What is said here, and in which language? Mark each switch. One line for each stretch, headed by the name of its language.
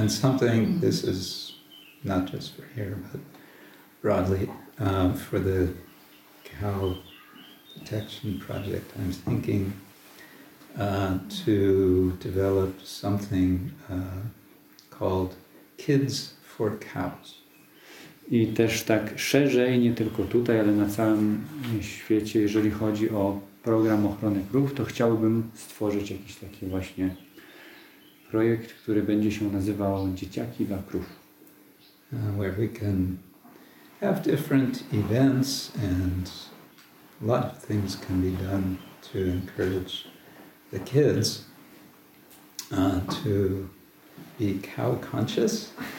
English: And something, this is not just for here, but broadly, for the cow protection project, I'm thinking to develop something called Kids for Cows.
Polish: I też tak szerzej, nie tylko tutaj, ale na całym świecie, jeżeli chodzi o program ochrony krów, to chciałbym stworzyć jakiś taki właśnie projekt, który będzie się nazywał Dzieciaki dla krów.
English: Where we can have different events and a lot of things can be done to encourage the kids to be cow conscious.